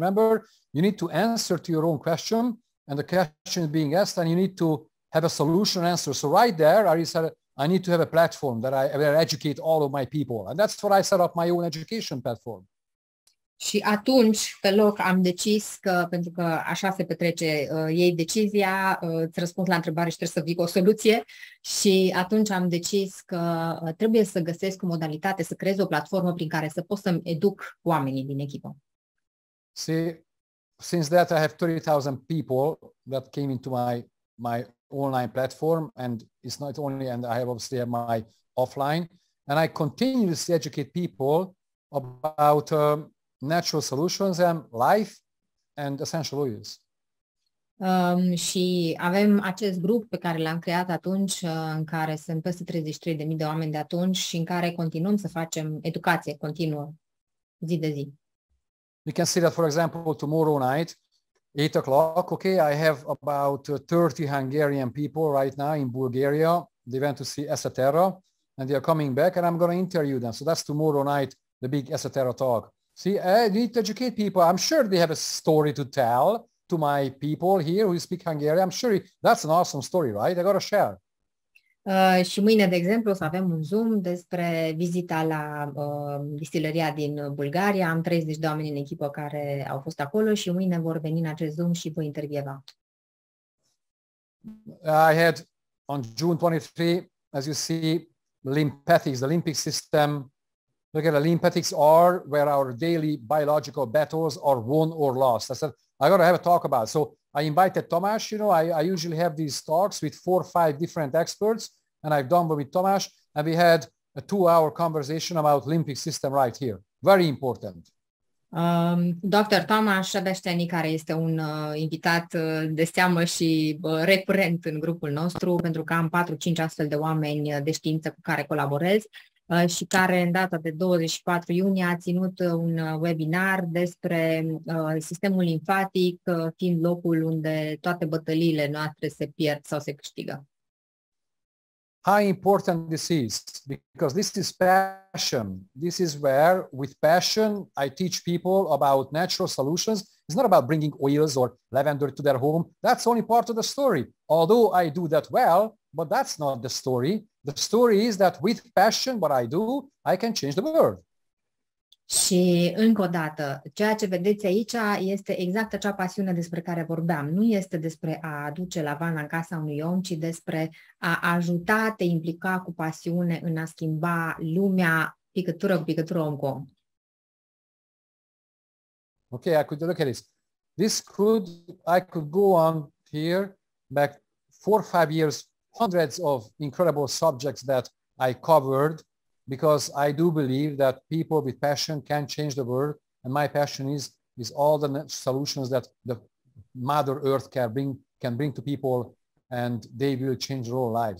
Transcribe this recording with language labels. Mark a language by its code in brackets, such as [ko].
[en] Remember, you need to answer to your own question, and the question is being asked, and you need to have a solution answer. So right there, I said, I need to have a platform that I educate all of my people. And that's what I set up my own education platform. [ro] Și atunci, pe loc, am decis că, pentru că așa se petrece ei decizia, îți răspund la întrebare și trebuie să vii cu o soluție. Și atunci am decis că trebuie să găsesc o modalitate, să creez o platformă prin care să pot să-mi educ oamenii din echipă. [en] See, since that I have 30,000 people that came into my online platform, and it's not only, and I have obviously have my offline, and I continuously educate people about natural solutions and life and essential oils. [ro] Și avem acest grup pe care l-am creat atunci, în care sunt peste 33.000 de oameni de atunci și în care continuăm să facem educație continuă, zi de zi. [en] You can see that, for example, tomorrow night, 8 o'clock, okay, I have about 30 Hungarian people right now in Bulgaria. They went to see doTERRA and they are coming back and I'm going to interview them. So that's tomorrow night, the big doTERRA talk. See, I need to educate people. I'm sure they have a story to tell to my people here who speak Hungarian. I'm sure that's an awesome story, right? I got to share. [ro] Și mâine, de exemplu, o să avem un Zoom despre vizita la distileria din Bulgaria. Am 30 de oameni în echipă care au fost acolo și mâine vor veni în acest Zoom și voi intervieva. [en] I had on June 23, as you see, lymphatics, the limbic system. Look at the lymphatics are where our daily biological battles are won or lost. I said, I got to have a talk about it. So I invited Tomáš, you know, I usually have these talks with 4 or 5 different experts, and I've done with Tomáš, and we had a 2-hour conversation about limbic system right here. Very important. [ro] Dr. Tomáš Adaștiani, care este un invitat de seamă și recurent în grupul nostru, pentru că am 4-5 astfel de oameni de știință cu care colaborez, și care în data de 24 iunie a ținut un webinar despre sistemul limfatic fiind locul unde toate bătăliile noastre se pierd sau se câștigă. [en] How important this is, because this is passion. This is where, with passion, I teach people about natural solutions. It's not about bringing oils or lavender to their home. That's only part of the story. Although I do that well, but that's not the story. The story is that with passion, what I do, I can change the world. [ro] Și încă o dată, ceea ce vedeți aici este exact acea pasiune despre care vorbeam. Nu este despre a aduce lavanda în casa unui om, ci despre a ajuta, te implica cu pasiune în a schimba lumea picătură cu picătură, om cu om. [en] Okay, I could look at this. I could go on here back 4 or 5 years, hundreds of incredible subjects that I covered, because I do believe that people with passion can change the world, and my passion is all the solutions that the Mother Earth can bring to people, and they will change their own lives.